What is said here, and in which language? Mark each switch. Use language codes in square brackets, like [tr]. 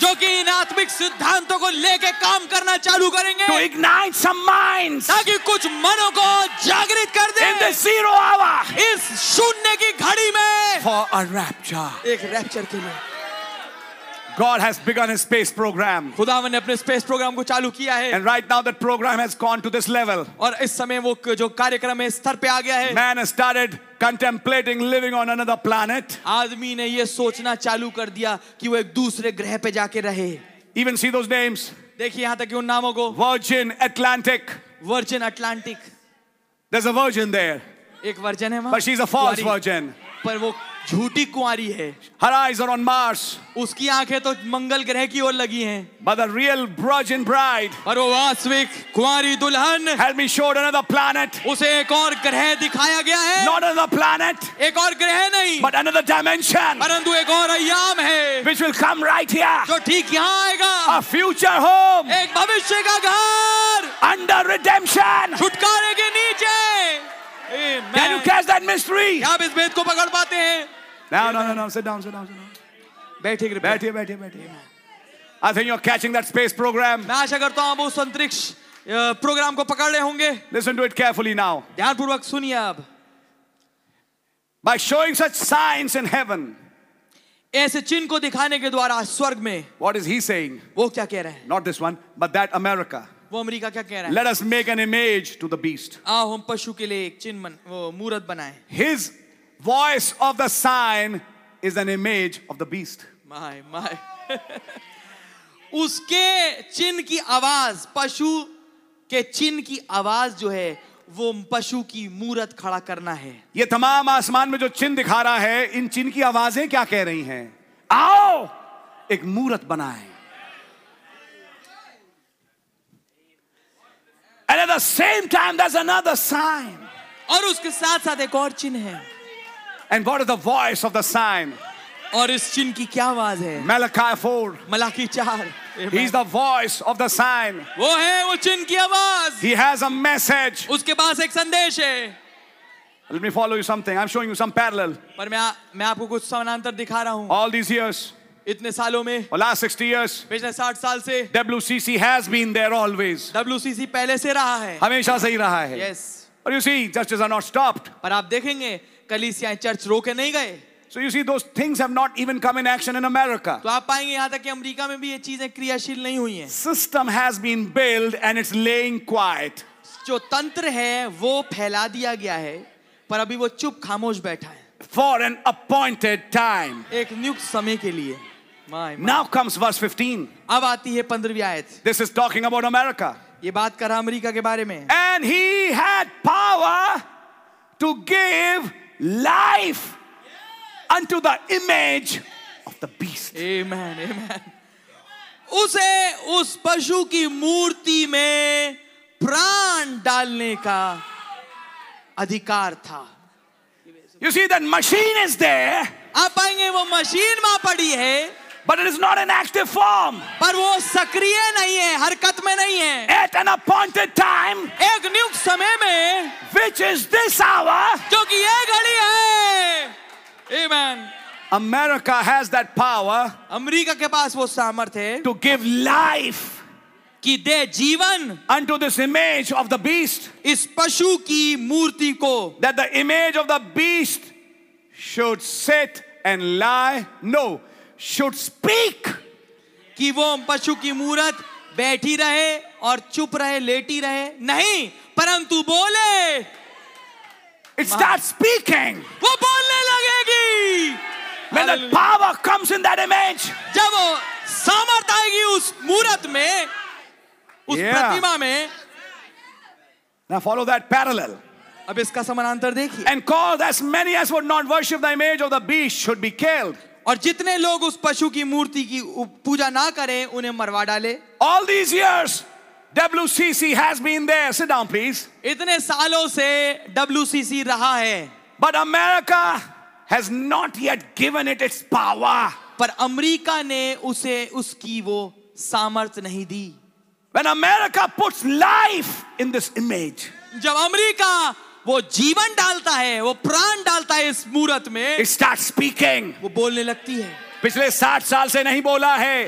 [hi] जो कि इन आत्मिक सिद्धांतों को लेके काम करना चालू करेंगे. [en] To ignite some minds. [hi] ताकि कुछ मनों को जागृत कर दे. [en] In the zero hour. [hi] इस शून्य की घड़ी में. [en] For a rapture. [hi] एक रैप्चर के लिए. [en] God has begun his space program. [hi] खुदावन ने अपने space program को चालू किया है. [en] And right now that program has gone to this level. [hi] और इस समय वो जो कार्यक्रम है स्तर पे आ गया है. [en] Man has started contemplating living on another planet. [hi] आदमी ने ये सोचना चालू कर दिया कि वो एक दूसरे ग्रह पे जाके रहे. [en] Even see those names. [hi] देखिए यहाँ तक उन नामों को. [en] Virgin Atlantic. Virgin Atlantic. There's a virgin there. [hi] एक वर्जन है वहाँ. [en] But she's a false virgin. [hi] पर वो झूठी कुंवारी है. [en] Her eyes are on Mars. [hi] उसकी आंखें तो मंगल ग्रह की ओर लगी हैं. [en] But the real virgin bride. [hi] पर वो वास्तविक कुंवारी दुल्हन. [en] Has been showed another planet. [hi] उसे एक और ग्रह दिखाया गया है. [en] Not another planet. [hi] एक और ग्रह नहीं. [en] But another dimension. [hi] परंतु एक और आयाम है. [en] Which will come right here. [hi] जो ठीक यहाँ आएगा. [en] A future home. [hi] एक भविष्य का घर. [en] Under redemption. [hi] छुटकारे के नीचे. [en] Amen. Can you catch that mystery? [hi] आप इस भेद को पकड़ पाते हैं? [en] No. Sit down. I think you're catching that space program. [hi] मैं आशा करता हूँ आप उस अंतरिक्ष प्रोग्राम को पकड़ रहे होंगे. [en] Listen to it carefully now. [hi] ध्यानपूर्वक सुनिए आप. [en] By showing such signs in heaven. [hi] ऐसे चिन्ह को दिखाने के द्वारा स्वर्ग में. [en] What is he saying? [hi] वो क्या कह रहे हैं? [en] Not this one, but that America. [hi] वो अमेरिका क्या कह रहा है? [en] Let us make an image to the beast. [hi] आओ हम पशु के लिए एक चिन्ह वो मूरत बनाएं. [en] His voice of the sign is an image of the beast. My my. [hi] उसके चिन्ह की आवाज, पशु के चिन्ह की आवाज जो है वो पशु की मूरत खड़ा करना है. ये तमाम आसमान में जो चिन्ह दिखा रहा है, इन चिन्ह की आवाजें क्या कह रही हैं? आओ एक मूरत बनाएं. [en] And at the same time, there's another sign. [hi] और उसके साथ साथ एक और चिन्ह है. [en] And what is the voice of the sign? [hi] और इस चिन्ह की क्या आवाज है? [en] Malachi 4. [hi] Malachi 4. [en] He's the voice of the sign. [hi] वो है वो चिन्ह की आवाज. [en] He has a message. [hi] उसके पास एक संदेश है. [en] Let me follow you something. I'm showing you some parallel. [hi] पर मैं आपको कुछ समानांतर दिखा रहा हूँ. [en] All these years. [hi] इतने सालों में. [en] For last 60 years. [hi] पिछले 60 साल से. [en] WCC has been there always. [hi] WCC पहले से रहा है. हमेशा से ही रहा है. [en] Yes. But you see, churches are not stopped. [hi] पर आप देखेंगे कलीसियाएं चर्च रोके नहीं गए. [en] So you see, those things have not even come in action in America. [hi] तो आप पाएंगे यहाँ तक कि अमेरिका में भी ये चीजें क्रियाशील नहीं हुई हैं. [en] System has been built and it's laying quiet. [hi] जो तंत्र है वो फैला दिया गया है पर अभी वो चुप खामोश बैठा है. [en] For an appointed time. [hi] एक नियुक्त समय के लिए. [en] Now comes verse 15. [hi] अब आती है 15वीं आयत. [en] This is talking about America. [hi] ये बात कर रहा अमेरिका के बारे में. [en] And he had power to give life unto the image of the beast. Amen, amen. [hi] उसे उस पशु की मूर्ति में प्राण डालने का अधिकार था. [en] You see, that machine is there. [hi] आप पाएंगे वो मशीन वहां पड़ी है. [en] But it is not an active form. [hi] पर वो सक्रिय नहीं है, हरकत में नहीं है. [en] At an appointed time. [hi] एक नियुक्त समय में. [en] Which is this hour. [hi] जो कि ये घड़ी है. Amen. [en] America has that power. [hi] America के पास वो सामर्थ्य है. [en] To give life. [hi] कि दे जीवन [en] unto this image of the beast, [hi] इस पशु की मूर्ति को, [en] that the image of the beast should sit and lie, no, should speak, [hi] कि वो पशु की मूर्त बैठी रहे और चुप रहे, लेटी रहे, नहीं परंतु बोले. [en] It starts speaking. [hi] वो बोलने लगेगी. [en] When the power comes in that image, [hi] जब वो सामर्थ्य आएगी उस मूर्त में, उस प्रतिमा में. [en] Now follow that parallel. [hi] अब इसका समानांतर देखिए. [en] And call as many as would not worship the image of the beast should be killed. [hi] और जितने लोग उस पशु की मूर्ति की पूजा ना करें उन्हें मरवा डाले. [en] All these years, WCC has been there. Sit down, please. [hi] इतने सालों से WCC रहा है. [en] But America has not yet given it its power. [hi] पर अमेरिका ने उसे उसकी वो सामर्थ नहीं दी. [en] When America puts life in this image, [hi] जब अमेरिका वो जीवन डालता है, वो प्राण डालता है इस मूर्त में, [en] it starts speaking. [hi] वो बोलने लगती है. पिछले 60 साल से नहीं बोला है.